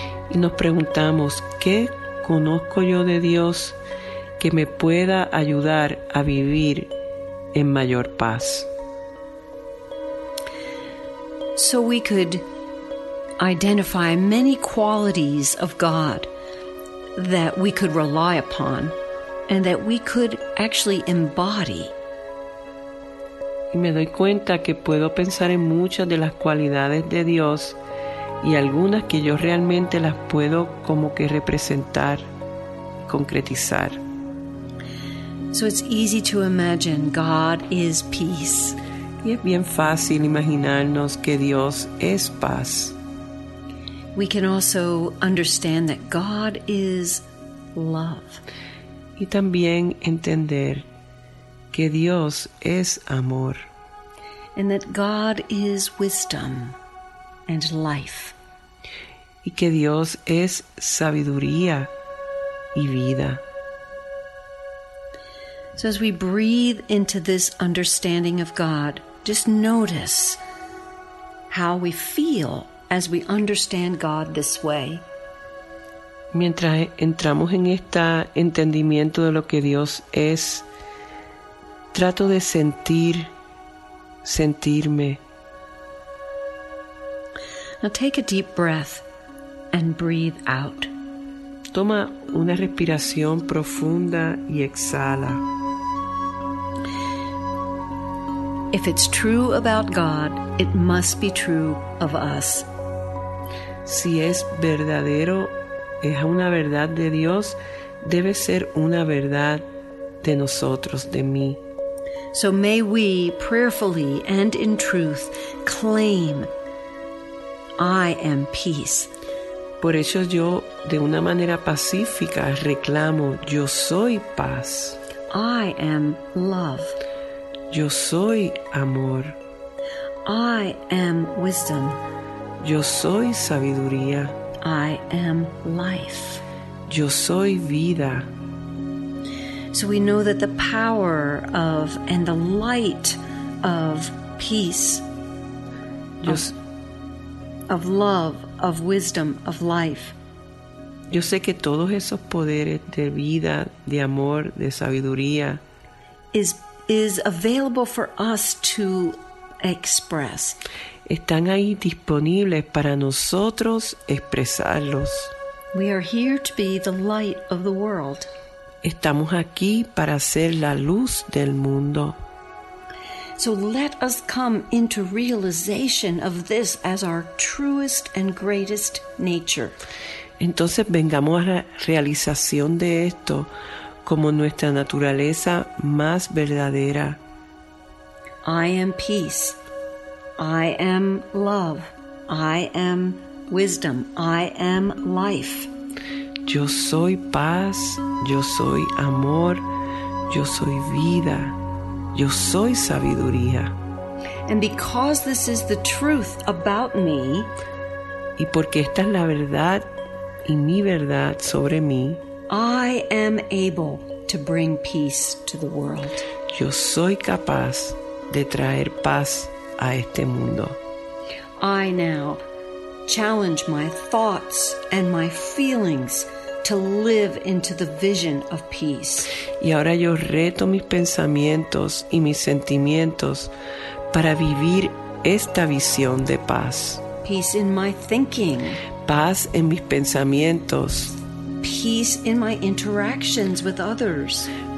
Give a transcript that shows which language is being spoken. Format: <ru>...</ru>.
<es>Y nos preguntamos, ¿qué conozco yo de Dios que me pueda ayudar a vivir en mayor paz?</es> <en>So we could identify many qualities of God that we could rely upon and that we could actually embody.</en> <es>Y me doy cuenta que puedo pensar en muchas de las cualidades de Dios y algunas que yo realmente las puedo como que representar, concretizar.</es> <en>So it's easy to imagine God is peace.</en> <es>Y es bien fácil imaginarnos que Dios es paz.</es> <en>We can also understand that God is love.</en> <es>Y también entender que Dios es amor.</es> <en>And that God is wisdom and life.</en> <es>Y que Dios es sabiduría y vida.</es> <en>So as we breathe into this understanding of God, just notice how we feel as we understand God this way.</en> <es>Mientras entramos en este entendimiento de lo que Dios es, trato de sentirme.</es> <en>Now take a deep breath and breathe out.</en> <es>Toma una respiración profunda y exhala.</es> <en>If it's true about God, it must be true of us.</en> <es>Si es verdadero, es una verdad de Dios, debe ser una verdad de nosotros, de mí.</es> <en>So may we prayerfully and in truth claim, I am peace.</en> <es>Por eso yo, de una manera pacífica, reclamo, yo soy paz.</es> <en>I am love.</en> <es>Yo soy amor.</es> <en>I am wisdom.</en> <es>Yo soy sabiduría.</es> <en>I am life.</en> <es>Yo soy vida.</es> <en>So we know that the power of and the light of peace, of love, of wisdom, of life.</en> <es>Yo sé que todos esos poderes de vida, de amor, de sabiduría,</es> <en>is available for us to express.</en> <es>Están ahí disponibles para nosotros expresarlos.</es> <en>We are here to be the light of the world.</en> <es>Estamos aquí para ser la luz del mundo.</es> <en>So let us come into realization of this as our truest and greatest nature.</en> <es>Entonces vengamos a la realización de esto como nuestra naturaleza más verdadera.</es> <en>I am peace. I am love. I am wisdom. I am life.</en> <es>Yo soy paz. Yo soy amor. Yo soy vida. Yo soy sabiduría.</es> <en>And because this is the truth about me,</en> <es>y porque esta es la verdad y mi verdad sobre mí,</es> <en>I am able to bring peace to the world.</en> <es>Yo soy capaz de traer paz a este mundo.</es> <en>I now challenge my thoughts and my feelings to live into the vision of peace.</en> <es>Y ahora yo reto mis pensamientos y mis sentimientos para vivir esta visión de paz.</es> <en>Peace in my thinking.</en> <es>Paz en mis pensamientos.</es> <en>Peace in my interactions with others.</en>